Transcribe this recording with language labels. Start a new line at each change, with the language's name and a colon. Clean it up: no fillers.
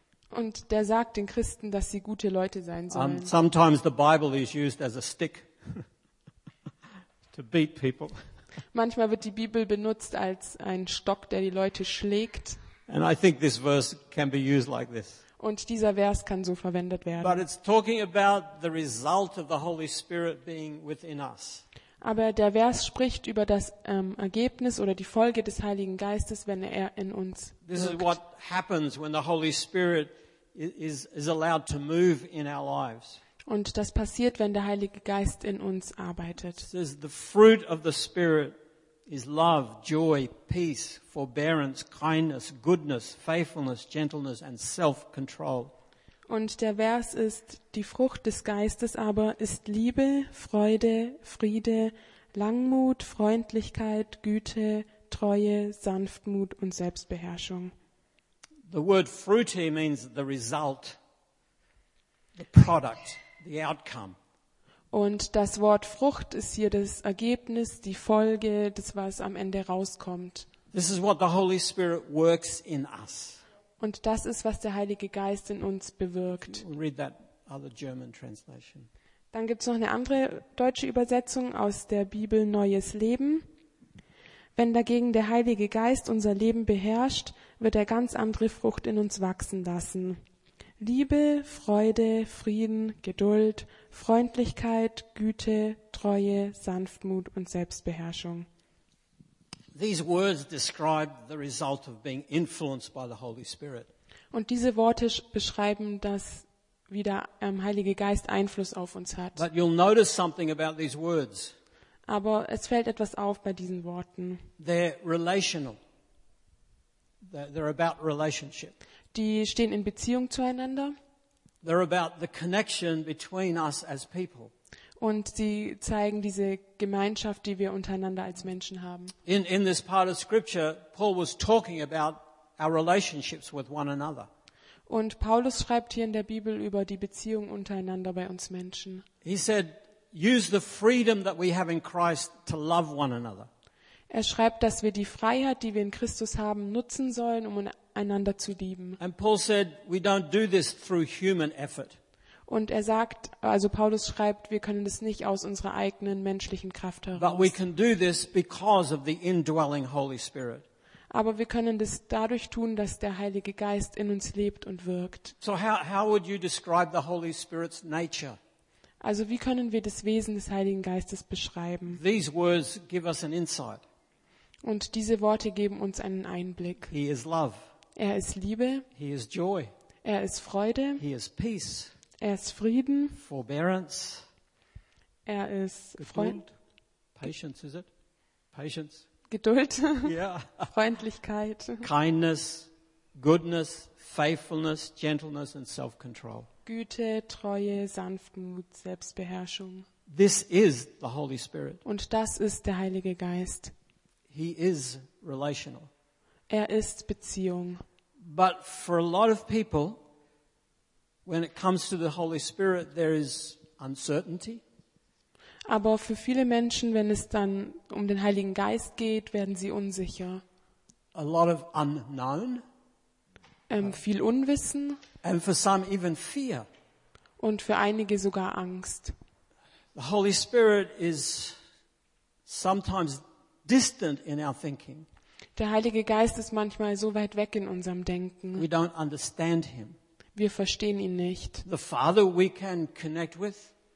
German: Und der sagt den Christen, dass sie gute Leute sein sollen.
English: Sometimes the Bible is used as a stick to beat people.
German: Manchmal wird die Bibel benutzt als ein Stock, der die Leute schlägt.
English: And I think this verse can be used like this.
German: Und dieser Vers kann so verwendet werden.
English: But it's talking about the result of the Holy Spirit being within us.
German: Aber der Vers spricht über das Ergebnis oder die Folge des Heiligen Geistes, wenn er in uns wirkt.
English: This is what happens when the Holy Spirit is allowed to move in our lives.
German: Und das passiert, wenn der Heilige Geist in uns arbeitet.
English: It says the fruit of the Spirit is love, joy, peace, forbearance, kindness, goodness, faithfulness, gentleness and self-control.
German: Und der Vers ist, die Frucht des Geistes aber ist Liebe, Freude, Friede, Langmut, Freundlichkeit, Güte, Treue, Sanftmut und Selbstbeherrschung.
English: The word fruity means the result, the product, the outcome.
German: Und das Wort Frucht ist hier das Ergebnis, die Folge, das was am Ende rauskommt.
English: This is what the Holy Spirit works in us.
German: Und das ist, was der Heilige Geist in uns bewirkt.
English: Read that other German translation.
German: Dann gibt es noch eine andere deutsche Übersetzung aus der Bibel Neues Leben. Wenn dagegen der Heilige Geist unser Leben beherrscht, wird er ganz andere Frucht in uns wachsen lassen. Liebe, Freude, Frieden, Geduld, Freundlichkeit, Güte, Treue, Sanftmut und Selbstbeherrschung.
English: These words describe the result of being influenced by the Holy Spirit.
German: Und diese Worte beschreiben, dass wie der Heilige Geist Einfluss auf uns hat.
English: But you'll notice something about these words.
German: Aber es fällt etwas auf bei diesen Worten.
English: They're relational. They're about relationship.
German: Die stehen in Beziehung zueinander.
English: They're about the connection between us as people.
German: Und sie zeigen diese Gemeinschaft, die wir untereinander als Menschen haben.
English: In this part of scripture, Paul was talking about our relationships with one another.
German: Und Paulus schreibt hier in der Bibel über die Beziehung untereinander bei uns Menschen.
English: He said, use the freedom that we have in Christ to love one another.
German: Er schreibt, dass wir die Freiheit, die wir in Christus haben, nutzen sollen, um einander zu lieben.
English: And Paul said, we don't do this through human effort.
German: Und er sagt, also Paulus schreibt, wir können das nicht aus unserer eigenen menschlichen Kraft heraus.
English: But we can do this because of the indwelling Holy Spirit.
German: Aber wir können das dadurch tun, dass der Heilige Geist in uns lebt und wirkt.
English: So how would you describe the Holy Spirit's nature?
German: Also wie können wir das Wesen des Heiligen Geistes beschreiben?
English: These words give us an insight.
German: Und diese Worte geben uns einen Einblick.
English: He is love.
German: Er ist Liebe.
English: He is joy.
German: Er ist Freude.
English: He is peace.
German: Er ist Frieden.
English: Forbearance.
German: Er ist Freund.
English: Patience, is it? Patience.
German: Geduld.
English: Yeah.
German: Freundlichkeit.
English: Kindness, goodness, faithfulness, gentleness and self-control.
German: Güte, Treue, Sanftmut, Selbstbeherrschung.
English: This is the Holy Spirit.
German: Und das ist der Heilige Geist.
English: He is relational.
German: Er ist Beziehung.
English: But for a lot of people, when it comes to the Holy Spirit, there is uncertainty.
German: Aber für viele Menschen, wenn es dann um den Heiligen Geist geht, werden sie unsicher.
English: A lot of unknown.
German: Viel Unwissen.
English: And for some even fear.
German: Und für einige sogar Angst.
English: The Holy Spirit is sometimes distant in our thinking.
German: Der Heilige Geist ist manchmal so weit weg in unserem Denken.
English: We don't understand him.
German: Wir verstehen ihn nicht.
English: The Father we can connect with.